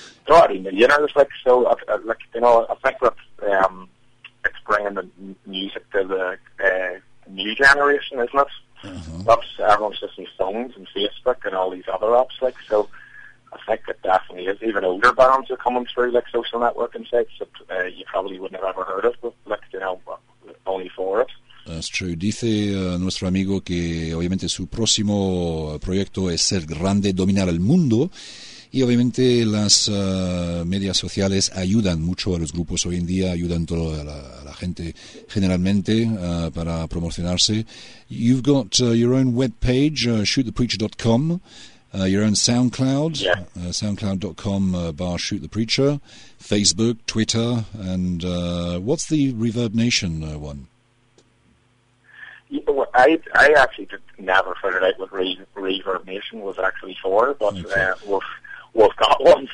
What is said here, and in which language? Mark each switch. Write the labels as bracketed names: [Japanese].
[English] already millionaires, like, so like, you know, I think that it's bringing the music to the new generation, isn't it? That's everyone's just in phones and Facebook and all these other apps, like, so I think it definitely is. Even older bands are coming through, like social networking sites that you probably wouldn't have ever heard of, but, like, you know, only for it. That's true. [Spanish] Dice nuestro amigo que obviamente su próximo proyecto es ser grande, dominar el mundo, y obviamente las medias sociales ayudan mucho a los grupos hoy en día, ayudan todo a la gente generalmente para promocionarse. [English] You've got your own webpage, shootthepreacher.com, your own SoundCloud, soundcloud.com / Shoot the Preacher, Facebook, Twitter, and what's the Reverb Nation one? I actually did never figured out what Reverb Nation was actually for, but we've got one.